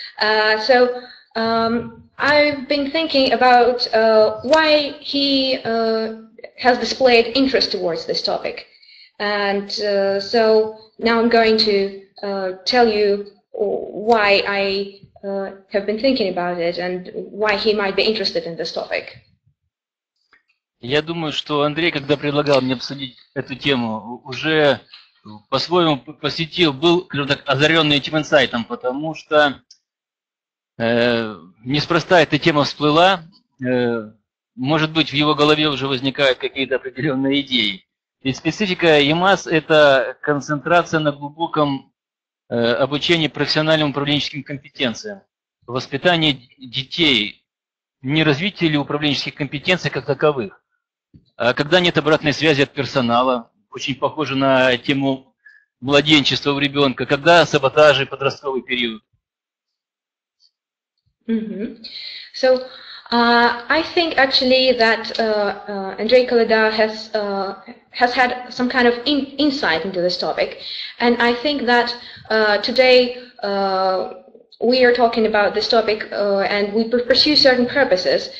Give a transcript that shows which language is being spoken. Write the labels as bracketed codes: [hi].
[en] I've been thinking about why he has displayed interest towards this topic. And so now I'm going to tell you why I have been thinking about it and why he might be interested in this topic. [ru] Я думаю, что Андрей, когда предлагал мне обсудить эту тему, уже по-своему посетил, был, скажем так, озаренный этим инсайтом, потому что неспроста эта тема всплыла. Может быть, в его голове уже возникают какие-то определенные идеи. И специфика EMAS – это концентрация на глубоком обучении профессиональным управленческим компетенциям, воспитании детей, не развитии ли управленческих компетенций как таковых. А когда нет обратной связи от персонала, очень похоже на тему младенчества у ребенка, когда саботаж и подростковый период. [en] So, I think actually that Andrei Kalida has had some kind of insight into this topic, and I think that today we are talking about this topic and we pursue certain purposes.